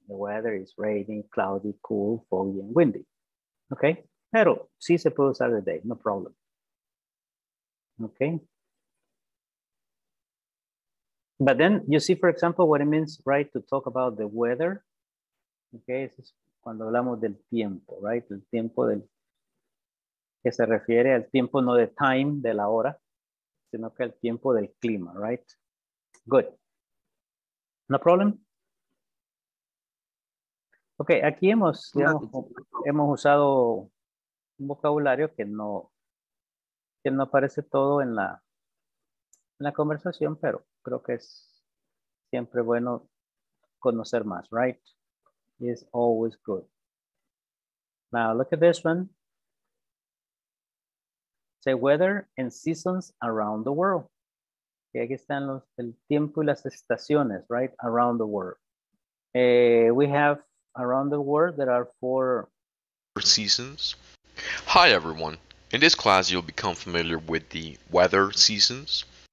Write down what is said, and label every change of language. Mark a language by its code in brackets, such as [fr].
[en] The weather is rainy, cloudy, cool, foggy, and windy. Okay? [es] Pero sí se puede usar [en] the day, no problem. [es] Okay? [en] But then you see, for example, what it means, right, to talk about the weather. [es] Okay, [en] this is [es] cuando hablamos del tiempo, right? El tiempo del que se refiere al tiempo, no de time, de la hora, sino que el tiempo del clima, right? [en] Good. No problem. [es] Okay, aquí hemos usado un vocabulario que no aparece todo en la conversación, pero creo que es siempre bueno conocer más, right? [en] It's always good. Now, look at this one. Say weather and seasons around the world. Okay, [es] aquí están el tiempo y las estaciones, [en] right? Around the world. We have around the world, there are four seasons. Hi, everyone. In this class, you'll become familiar with the weather seasons.